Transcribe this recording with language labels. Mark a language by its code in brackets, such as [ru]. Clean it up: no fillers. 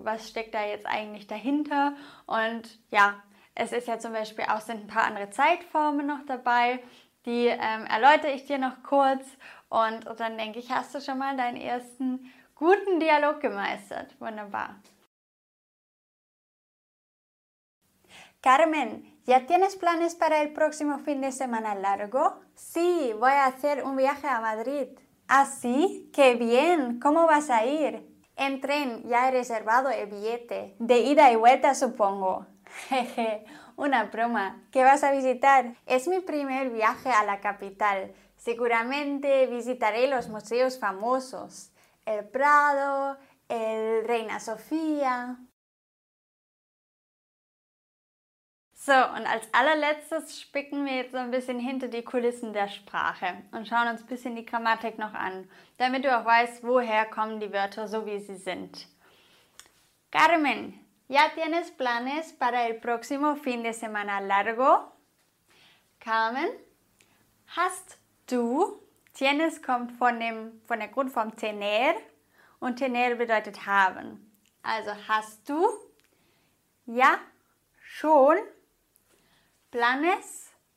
[de] Was steckt da jetzt eigentlich dahinter? Und ja, es ist ja zum Beispiel auch sind ein paar andere Zeitformen noch dabei. Die erläutere ich dir noch kurz und dann denke ich, hast du schon mal deinen ersten guten Dialog gemeistert. Wunderbar. [es] Carmen, ¿ya tienes planes para el próximo fin de semana largo? Sí, voy a hacer un viaje a Madrid. ¿Ah, sí? ¡Qué bien! ¿Cómo vas a ir? En tren, ya he reservado el billete. De ida y vuelta, supongo. Jeje, una broma. ¿Qué vas a visitar? Es mi primer viaje a la capital. Seguramente visitaré los museos famosos. El Prado, el Reina Sofía. [de] So, und als allerletztes spicken wir jetzt so ein bisschen hinter die Kulissen der Sprache und schauen uns ein bisschen die Grammatik noch an, damit du auch weißt, woher kommen die Wörter so, wie sie sind. [es] Carmen, ¿ya tienes planes para el próximo fin de semana largo? [de] Carmen, hast du, tienes kommt von der Grundform tener und tener bedeutet haben. Also hast du, ja, schon, [es] planes,